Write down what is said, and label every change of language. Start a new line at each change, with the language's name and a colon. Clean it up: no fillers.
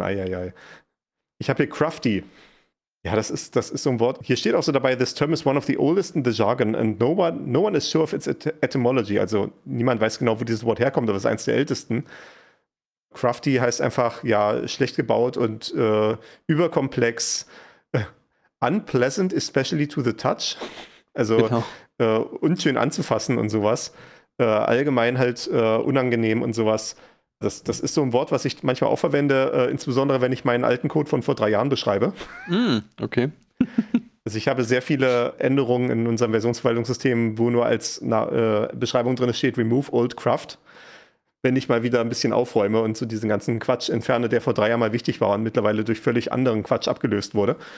German: Eieiei. Ich habe hier crafty. Ja, das ist so ein Wort. Hier steht auch so dabei,
English: this term is one of the oldest in the jargon and no one is sure of its etymology.
German: Also niemand weiß genau, wo dieses Wort herkommt, aber es ist eins der ältesten. Crafty heißt einfach, ja, schlecht gebaut und überkomplex.
English: Unpleasant, especially to the touch.
German: Also genau. Unschön anzufassen und sowas. Allgemein halt unangenehm und sowas. Das ist so ein Wort, was ich manchmal auch verwende, insbesondere wenn ich meinen alten Code von vor 3 Jahren beschreibe. Mm, okay. Also ich habe sehr viele Änderungen in unserem Versionsverwaltungssystem, wo nur als Beschreibung drin steht,
English: remove old craft,
German: wenn ich mal wieder ein bisschen aufräume und so diesen ganzen Quatsch entferne, der vor 3 Jahren mal wichtig war und mittlerweile durch völlig anderen Quatsch abgelöst wurde.